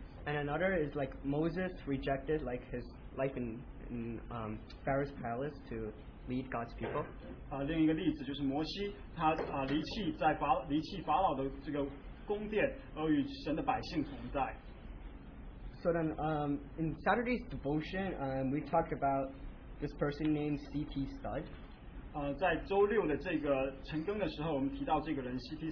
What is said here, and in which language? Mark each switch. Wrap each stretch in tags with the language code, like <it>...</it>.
<en>And another is like Moses rejected like his life in Pharaoh's palace to lead God's people.</en> <zh>另一个例子就是摩西，他离弃法老的这个宫殿，而与神的百姓同在。</zh> <en>So then, in Saturday's devotion, we talked about this person named C.T. Studd.</en> <zh>在周六的这个晨更的时候，我们提到这个人 C.T.</zh>